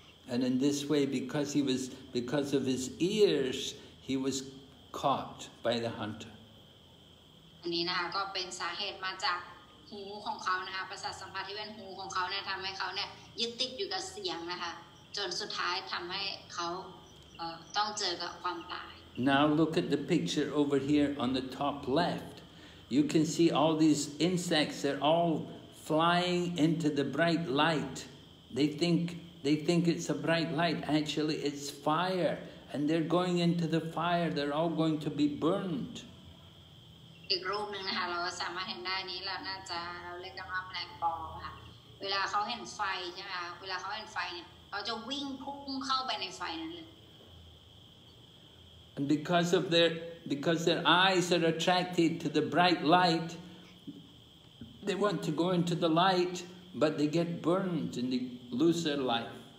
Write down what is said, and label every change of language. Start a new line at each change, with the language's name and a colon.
English: And in this way, because of his ears, he was caught by the hunter.
Thai: นี่นะคะก็เป็นสาเหตุมาจากหูของเขานะคะประสาทสัมผัสที่เป็นหูของเขาเนี่ยทำให้เขาเนี่ยยึดติดอยู่กับเสียงนะคะจนสุดท้ายทำให้เขาต้องเจอกับความตาย
English: Now look at the picture over here on the top left. You can see all these insects. They're all flying into the bright light. They think it's a bright light. Actually, it's fire, and they're going into the fire. They're all going to be burned.
Thai: อีกรูปหนึ่งนะคะเราสามารถเห็นได้นี้แล้วน่าจะเราเรียกกันว่าแมลงปอค่ะเวลาเขาเห็นไฟใช่ไหมคะเวลาเขาเห็นไฟเนี่ยเขาจะวิ่งพุ่งเข้าไปในไฟนั้นเลย
English: And because of their eyes are attracted to the bright light, they want to go into the light, but they get burned and they lose their life.